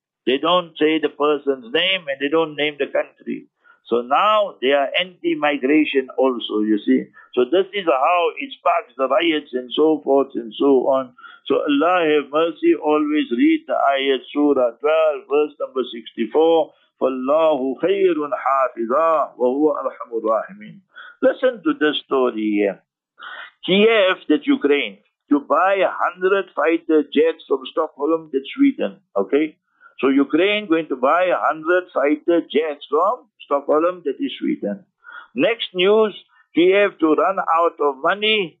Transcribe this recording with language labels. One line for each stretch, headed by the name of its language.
English: They don't say the person's name and they don't name the country. So now they are anti-migration also, you see. So this is how it sparks the riots and so forth and so on. So Allah have mercy, always read the ayat surah 12, verse number 64.
Arabic: فَاللَّهُ خَيْرٌ حَافِظًا وَهُوَ أَرْحَمُ الرَّاحِمِينَ
English: Listen to this story here. Kiev, that's Ukraine, to buy 100 fighter jets from Stockholm, that's Sweden, okay? So Ukraine going to buy 100 fighter jets from Stockholm, that is Sweden. Next news, Kiev to run out of money.